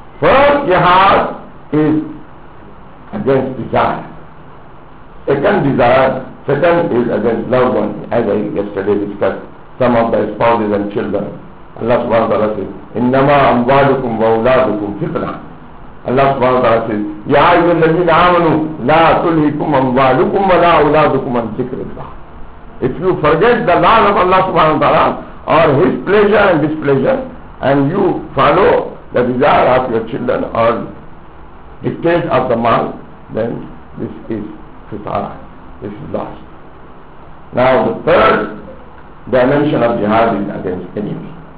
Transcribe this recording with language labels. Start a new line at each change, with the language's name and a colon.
English: First jihad is against desire. Second desire, second is against loved one. As I yesterday discussed, some of the spouses and children.
Arabic: Allah subhanahu wa ta'ala
English: says,
Arabic: إِنَّمَا أَمْوَالُكُمْ وَأَوْلَادُكُمْ فِتْنَةٌ. Allah subhanahu wa ta'ala
English: says,
Arabic: يَا أَيُّهَا الَّذِينَ آمَنُوا لَا تُلْهِكُمْ أَمْوَالُكُمْ وَلَا أَوْلَادُكُمْ عَنْ ذِكْرِ اللَّهِ.
English: If you forget the laws of Allah subhanahu wa ta'ala or His pleasure and displeasure, and you follow the desire of your children or dictate of the man, then this is fitara, this is lost. Now the third dimension of jihad is against enemy.